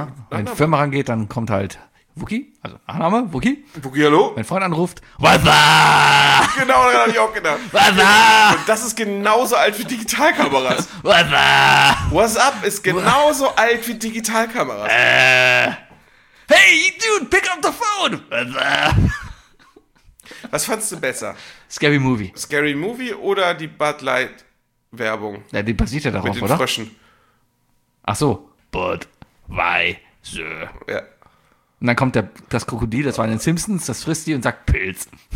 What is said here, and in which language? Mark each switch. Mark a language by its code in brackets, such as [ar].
[de] wenn die Firma rangeht, dann kommt halt Wookie, also Nachname, Wookie. Wookie, hallo. Mein Freund anruft, Wazza! Genau, daran habe ich auch gedacht. [en] Wazza! [de] Und das ist genauso alt wie Digitalkameras. [en] Wazza! [de] What's up ist genauso alt wie Digitalkameras. [en] Hey, dude, pick up the phone! Wazza! [de] Was fandest du besser? Scary Movie. Scary Movie oder die Bud Light Werbung? Ja, die basiert ja darauf, oder? Mit den Fröschen. Ach so. [en] But why, so. [de] Ja. Und dann kommt das Krokodil, das war in den Simpsons, das frisst die und sagt Pilz.